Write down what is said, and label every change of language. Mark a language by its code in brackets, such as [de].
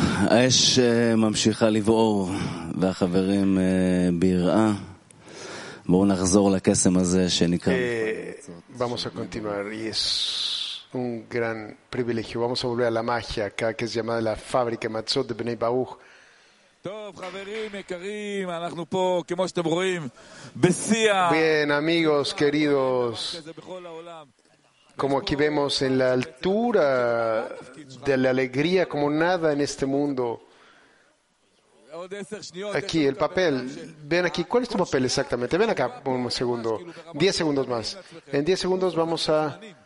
[he] האש ממשיכה לבעור והחברים ביראה. בואו נחזור לקסם הזה שנקרא. [es] Vamos a continuar y es un gran privilegio. Vamos a volver a la magia acá que es llamada la fábrica Matzot de Bnei Baruj. [he] טוב חברים יקרים, אנחנו פה כמו שאתם רואים בשיא. [es] Bien amigos queridos. Como aquí vemos en la altura de la alegría como nada en este mundo. Aquí, el papel. Ven aquí, ¿cuál es tu papel exactamente? Ven acá un segundo. 10 segundos más. En 10 segundos vamos a...